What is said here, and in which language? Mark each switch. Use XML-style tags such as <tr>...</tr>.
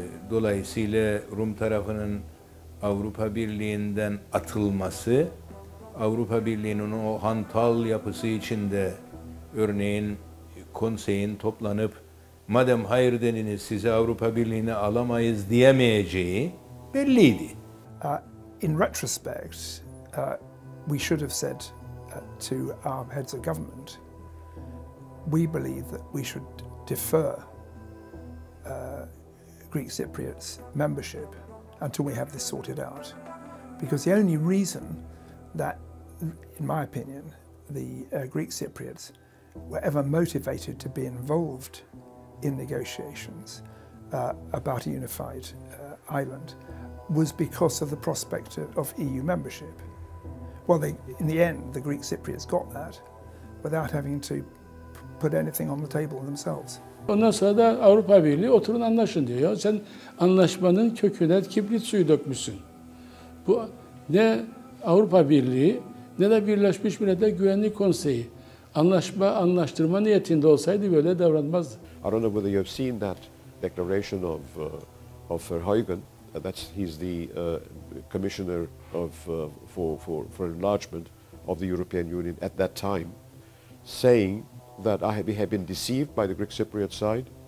<tr>Dolayısıyla Rum tarafının Avrupa Birliği'nden atılması, Avrupa Birliği'nin o hantal yapısı içinde örneğin konseyin toplanıp madem hayır deniniz sizi Avrupa Birliği'ne alamayız diyemeyeceği belliydi.</tr> <en>In retrospect, we should have said to our heads of government, we believe that we should defer Greek Cypriots membership until we have this sorted out. Because the only reason that, in my opinion, the Greek Cypriots were ever motivated to be involved in negotiations about a unified island was because of the prospect of EU membership. Well, they, in the end, the Greek Cypriots got that without having to put anything on the table themselves.</en> <tr>Ondan sonra da Avrupa Birliği oturun anlaşın diyor. Ya sen anlaşmanın köküne kibrit suyu dökmüşsün. Bu ne Avrupa Birliği ne de Birleşmiş Milletler Güvenlik Konseyi. Anlaşma, anlaştırma niyetinde olsaydı böyle davranmazdı.</tr> <en>I don't know whether you have seen that declaration of Verheugen. He's the commissioner of for enlargement of the European Union at that time, saying that we have been deceived by the Greek Cypriot side.</en>